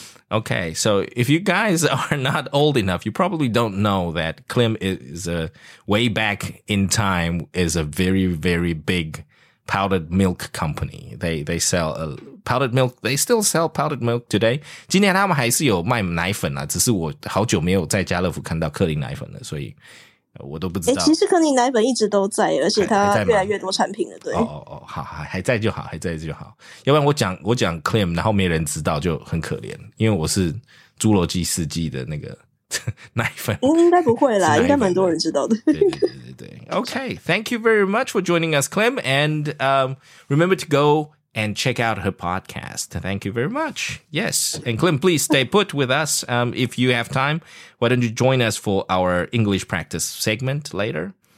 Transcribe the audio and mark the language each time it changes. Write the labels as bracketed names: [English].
[English] Okay, so if you guys are not old enough, you probably don't know that Clem is a way back in time is a very, very big powdered milk company. They sell powdered milk. They still sell powdered milk today. [Chinese] 今天他们还是有卖奶粉啊，只是我好久没有在家乐福看到克林奶粉了，所以我都不知道。其实克林奶粉一直都在，而且它越来越多产品了。对，好，还在就好，还在就好。要不然我讲 Clem， 然后没人知道就很可怜，因为我是《侏罗纪世纪》的那个奶粉。应该不会啦，应该蛮多人知道的。对。 [English] Okay, thank you very much for joining us, Clem, and remember to go and check out her podcast. Thank you very much. Yes, and Clem, please stay put with us. If you have time, why don't you join us for our English practice segment later?